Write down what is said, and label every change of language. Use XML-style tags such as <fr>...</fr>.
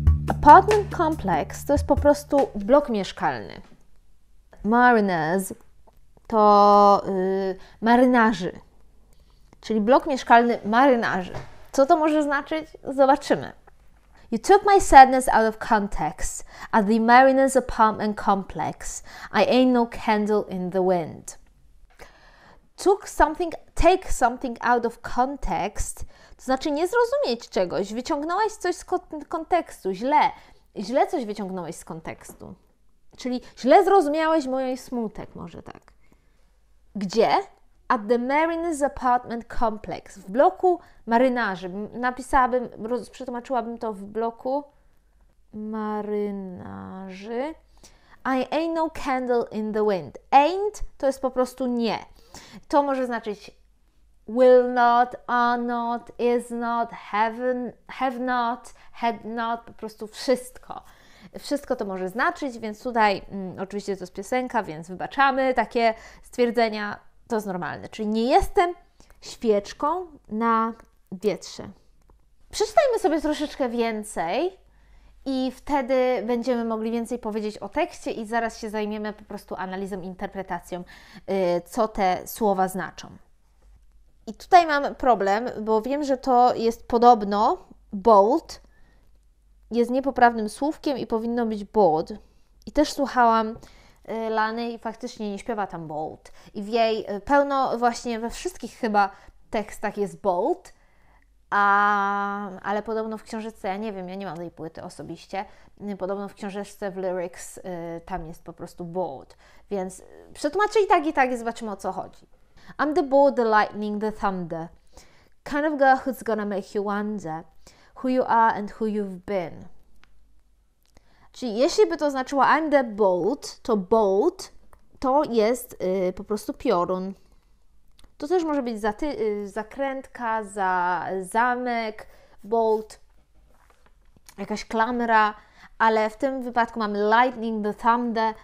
<en>Apartment complex</en> <pl>to jest po prostu blok mieszkalny. Mariners to marynarzy. Czyli blok mieszkalny marynarzy. Co to może znaczyć? Zobaczymy.</pl> <en>You took my sadness out of context at the Mariner's apartment complex. I ain't no candle in the wind. Take something out of context.</en> <pl>To znaczy nie zrozumieć czegoś. Wyciągnąłeś coś z kontekstu. Źle coś wyciągnąłeś z kontekstu. Czyli źle zrozumiałeś mój smutek, może tak. Gdzie?</pl> <en>At the Mariner's Apartment Complex.</en> <pl>W bloku marynarzy. Napisałabym, przetłumaczyłabym to w bloku marynarzy.</pl> <en>I ain't no candle in the wind. Ain't</en> <pl>to jest po prostu nie. To może znaczyć</pl> <en>will not, are not, is not, have not, had not.</en> <pl>Po prostu wszystko. Wszystko to może znaczyć, więc tutaj oczywiście to jest piosenka, więc wybaczamy takie stwierdzenia. To jest normalne. Czyli nie jestem świeczką na wietrze. Przeczytajmy sobie troszeczkę więcej i wtedy będziemy mogli więcej powiedzieć o tekście i zaraz się zajmiemy po prostu analizą, interpretacją, co te słowa znaczą. I tutaj mam problem, bo wiem, że to jest podobno bold, jest niepoprawnym słówkiem i powinno być bold. I też słuchałam Lany i faktycznie nie śpiewa tam bold. I w jej pełno, właśnie we wszystkich chyba tekstach jest bold, ale podobno w książeczce, ja nie wiem, ja nie mam tej płyty osobiście, podobno w książeczce, w lyrics tam jest po prostu bold. Więc przetłumaczę i tak i zobaczymy, o co chodzi.</pl> <en>I'm the bold, the lightning, the thunder. Kind of girl who's gonna make you wonder who you are and who you've been.</en> <pl>Czyli jeśli by to znaczyło</pl> <en>I'm the bolt,</en> <pl>to bolt to jest po prostu piorun. To też może być zakrętka, zamek, bolt, jakaś klamra, ale w tym wypadku mamy</pl> <en>lightning, the thunder.</en>